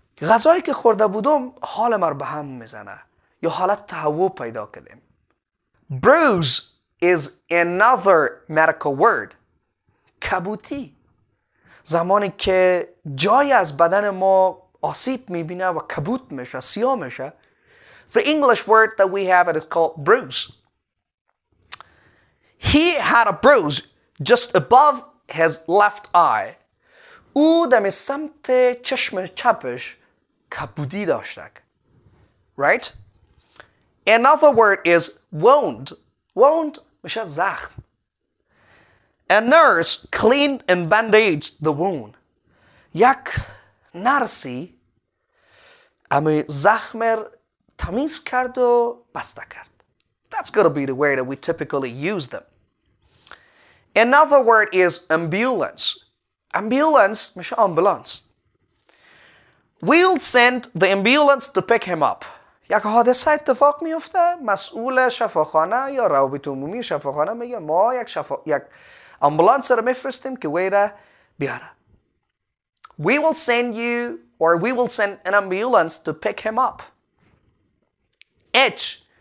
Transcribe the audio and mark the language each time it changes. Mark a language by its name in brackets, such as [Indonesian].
[Persian] غذایی که خورده بودم حال مر به هم میزنه یا حالت تهوع پیدا کردم. [English] Bruise is another medical word. [Persian] کبوتی. زمانی که جای از بدن ما آسیب میبینه و کبوت میشه، سیاه میشه. [English] The English word that we have it is called bruise. He had a bruise just above his left eye. [Persian] او دم سمت چشم چپش کبودی داشتک. [English] Right? Another word is wound. [Persian] Wound میشه زخم. [English] A nurse cleaned and bandaged the wound. [Persian] یک نرسی امی زخم را تمیز کرد و بسته کرد. [English] That's going to be the word that we typically use them. Another word is ambulance. Ambulance, میشه ambulance. We'll send the ambulance to pick him up. [Persian] یک حادثه اتفاق میفته، مسئول شفاخانه یا روابط عمومی شفاخانه میگه ما یک امبولانس رو میفرستیم که ویرا بیاره. [English] We will send you or we will send an ambulance to pick him up. H.